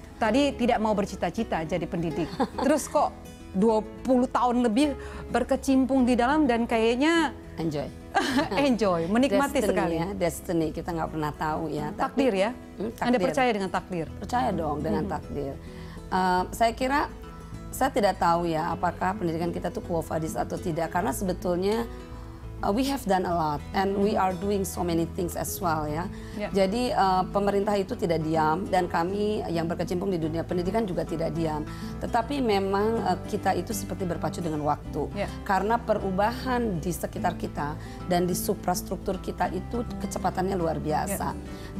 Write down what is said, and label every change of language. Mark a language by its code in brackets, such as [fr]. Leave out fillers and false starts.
[id] Tadi tidak mau bercita-cita jadi pendidik. Terus kok 20 tahun lebih berkecimpung di dalam dan kayaknya... [en] Enjoy. [id] Enjoy, menikmati [en] destiny, [id] sekali. Ya, destiny, kita nggak pernah tahu ya. Takdir ya? Takdir. Anda percaya dengan takdir? Percaya dong dengan takdir. Saya kira, saya tidak tahu ya apakah pendidikan kita itu quo vadis atau tidak. Karena sebetulnya... [en] we have done a lot and we are doing so many things as well ya. Yeah. [id] Jadi pemerintah itu tidak diam dan kami yang berkecimpung di dunia pendidikan juga tidak diam. Tetapi memang kita itu seperti berpacu dengan waktu. [en] Yeah. [id] Karena perubahan di sekitar kita dan di suprastruktur kita itu kecepatannya luar biasa. Yeah.